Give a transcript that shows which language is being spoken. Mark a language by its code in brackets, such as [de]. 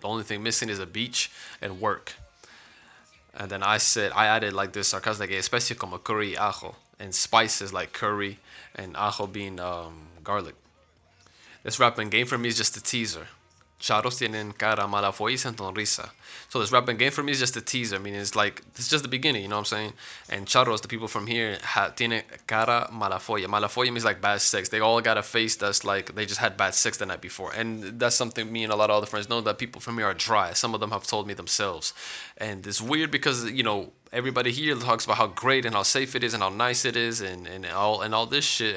[en] The only thing missing is a beach and work. And then I added like this sarcastic, especially como curry y ajo, and spices like curry and ajo being garlic. This rapping game for me is just a teaser. [es] Charos tienen cara mala y sonrisa. [en] So this rapping game for me is just a teaser. I mean, it's like, it's just the beginning, you know what I'm saying? And charos, the people from here, tienen cara mala folla. Mala folla means like bad sex. They all got a face that's like, they just had bad sex the night before. And that's something me and a lot of other friends know, that people from here are dry. Some of them have told me themselves. And it's weird because, you know, everybody here talks about how great and how safe it is and how nice it is and all this shit.